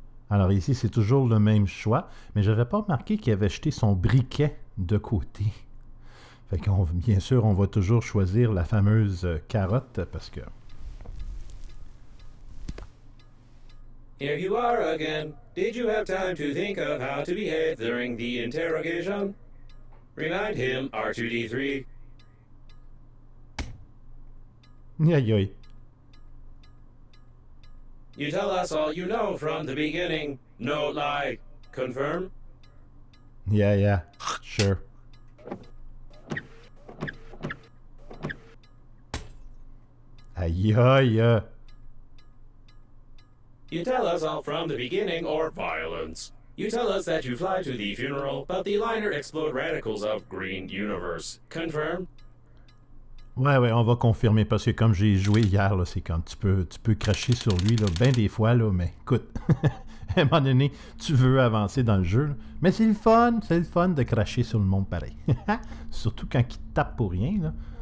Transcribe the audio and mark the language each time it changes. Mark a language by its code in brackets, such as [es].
[fr] Alors ici, c'est toujours le même choix, mais je n'avais pas remarqué qu'il avait jeté son briquet de côté. Fait qu'on, bien sûr, on va toujours choisir la fameuse carotte, parce que... [en] Here you are again. Did you have time to think of how to behave during the interrogation? Remind him, R2-D3. Aïe aïe. You tell us all you know from the beginning. No lie. Confirm? Yeah. Sure. Aïe. You tell us all from the beginning or violence. You tell us that you fly to the funeral, but the liner explode radicals of green universe. Confirm? [fr] Ouais, on va confirmer, parce que comme j'ai joué hier, là, c'est comme tu peux cracher sur lui, là, ben des fois, là, mais écoute, à un moment donné, tu veux avancer dans le jeu, là. Mais c'est le fun de cracher sur le monde pareil. Surtout quand il te tape pour rien, là.